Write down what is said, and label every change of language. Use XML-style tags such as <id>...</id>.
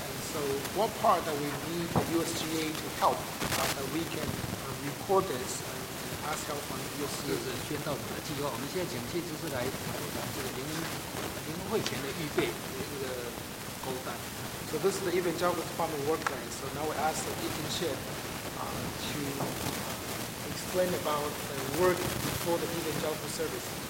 <en>So what part that we need the USGA to help that we can record this and ask help from the USGA?</en> <zh>就是宣道我们的计划，我们现在讲的就是来谈这个灵会前的预备，这个勾单。</zh> <en>So this is the evangelical department work plan. So now we ask the internship to explain about the work before the evangelical service.</en>